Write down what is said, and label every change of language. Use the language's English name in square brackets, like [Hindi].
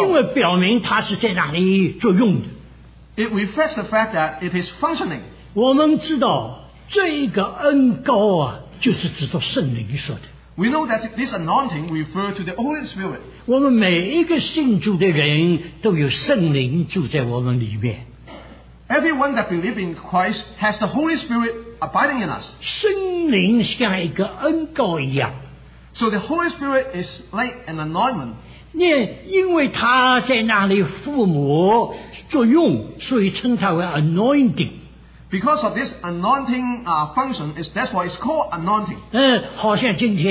[Chinese] 因为表明它是在哪里作用的。 [English] It reflects the fact that it is functioning. [Chinese] 我们知道这个恩膏啊，就是指着圣灵说的。 [English] We know that this anointing refers to the Holy Spirit. [Chinese] 我们每一个信主的人都有圣灵住在我们里面。 [English] Everyone that believes in Christ has the Holy Spirit abiding in us. [Chinese] 圣灵像一个恩膏一样。 [English] So the Holy Spirit is like an anointment. [Chinese] 因为他在那里父母作用，所以称他为 anointing。 [English] Because of this anointing function, that's why it's called anointing.